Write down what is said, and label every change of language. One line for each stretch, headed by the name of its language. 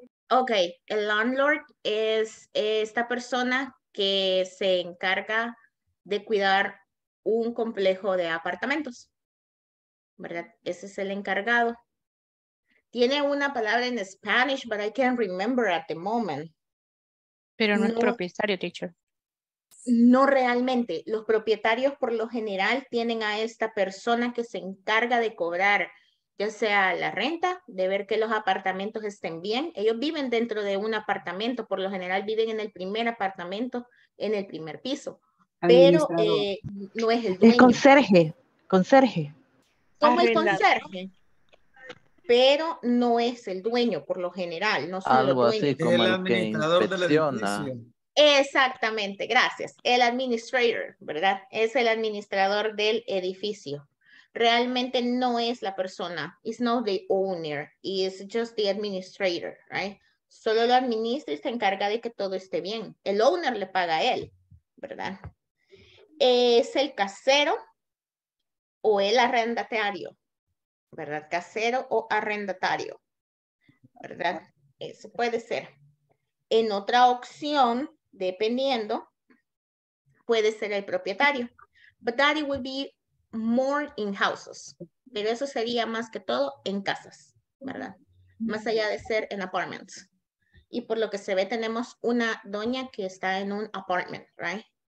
Spanish: Okay,
English: a landlord is
Spanish: esta persona que se encarga de cuidar un complejo de apartamentos, ¿verdad? Ese es el encargado. Tiene una palabra en
English: Spanish, but I can't remember at the moment.
Spanish: Pero no, no es propietario, teacher. No realmente. Los propietarios, por lo general, tienen a esta persona que se encarga de cobrar, ya sea la renta, de ver que los apartamentos estén bien. Ellos viven dentro de un apartamento, por lo general viven en el primer apartamento, en el primer piso. pero no es el dueño. El conserje, conserje. Como el conserje, pero no es el dueño por lo general. No son algo los dueños, así como el que inspecciona. Exactamente, gracias. El administrator, ¿verdad? Es el administrador del edificio. Realmente no es la persona,
English: it's not the owner, it's just the administrator, right?
Spanish: Solo lo administra y se encarga de que todo esté bien. El owner le paga a él, ¿verdad? ¿Es el casero o el arrendatario? ¿Verdad? Casero o arrendatario, ¿verdad? Eso puede ser. En otra opción, dependiendo, puede ser el propietario.
English: But that it would be more in houses.
Spanish: Pero eso sería más que todo en casas, ¿verdad? Más allá de ser en apartments. Y por lo que se ve, tenemos una doña que está en un apartment, right?